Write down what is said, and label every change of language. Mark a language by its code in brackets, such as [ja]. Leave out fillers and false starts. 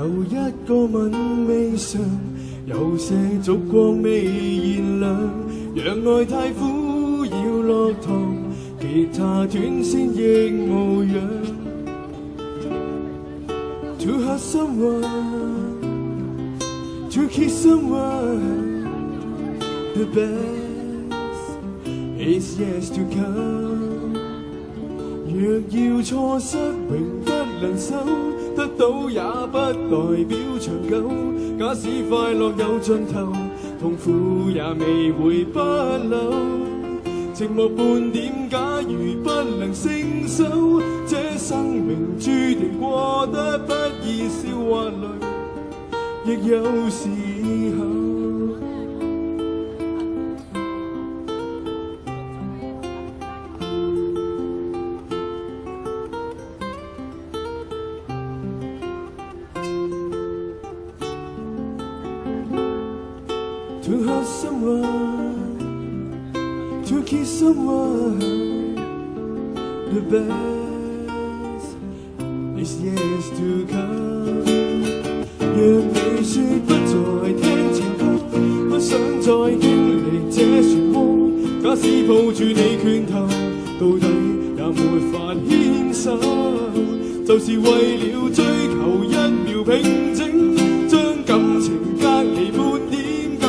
[yue] 一个吻未尝，有些烛光未燃亮，让爱太苦要落糖，吉他断线亦无恙。 [en] To hurt someone, to kiss someone, the best is yet to come. [yue] 若要错失，永不能收，得到也不代表长久。假使快乐有尽头，痛苦也未会不朽。寂寞半点，假如不能承受，这生命注定过得不易，笑或泪亦有时候。 [en] To hurt someone, to kiss someone, the best is yet to come. [yue] 若你说不再听情歌，不想再经历这漩涡，假使抱住你拳头，到底也没法牵手。就是为了追求一秒平静，将感情隔离半点。